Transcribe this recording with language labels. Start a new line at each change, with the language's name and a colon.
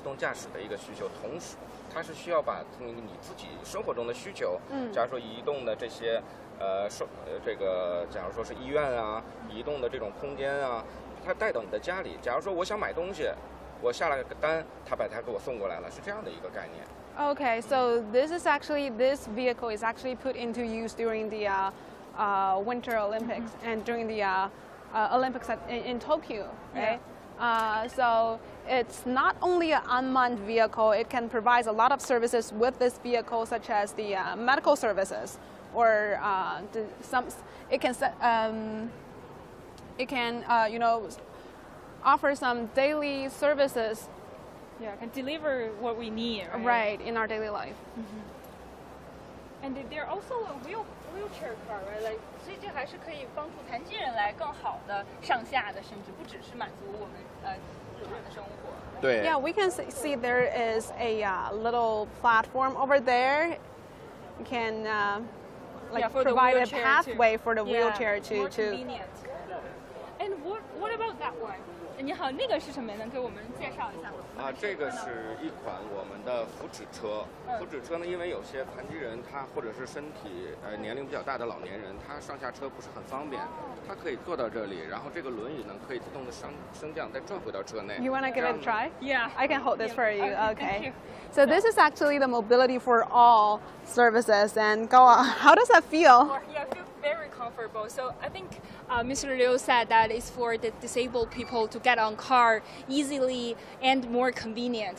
Chinese: 自动驾驶我们看这个已经迫不及待的想去看一看这个细节了那您给我们介绍一下这个主要有什么样的应用场景然后是有哪些首创的这个创新的部分在这里嗯这款车呢是我们实际上在东京奥运会已经在做这部用车的一款车辆同时呢它的这个自动驾驶是纯电的基础之上的自动驾驶同时这款车它不是仅仅满足一个自动驾驶的一个需求同时它是需要把你自己生活中的需求，假如说移动的这些，这个假如说是医院啊，移动的这种空间啊，它带到你的家里。假如说我想买东西，我下了个单，它把它给我送过来了，是这样的一个概念。
English: Okay, so this is actually this vehicle is actually put into use during the Winter Olympics and during the Olympics in Tokyo, right? Yeah. So it's not only an unmanned vehicle, it can provide a lot of services with this vehicle, such as the medical services, or offer some daily services. Yeah, can deliver what we need. Right, right in our daily life. Mm-hmm. And they're also a wheelchair car, right?
Chinese: Like,所以这还是可以帮助残疾人来更好的上下的，甚至不只是满足我们日常的生活。对。
English: Yeah, we can see there is a little platform over there. You can provide a pathway for the wheelchair to. Yeah, more convenient. And what about that one?
Chinese: 你好，那个是什么呢？给我们介绍一下吧。啊，这个是一款我们的扶祉车。扶祉车呢，因为有些残疾人他或者是身体年龄比较大的老年人，他上下车不是很方便，他可以坐到这里，然后这个轮椅呢可以自动的升降，再转回到车内。
English: You wanna give it a try? Yeah, I can hold this for you. Okay. You. So this is actually the mobility for all services. And go on. How does that feel? Yeah, I feel very comfortable. So I think Mr. Liu said that it's for the disabled people to get on car easily and more convenient.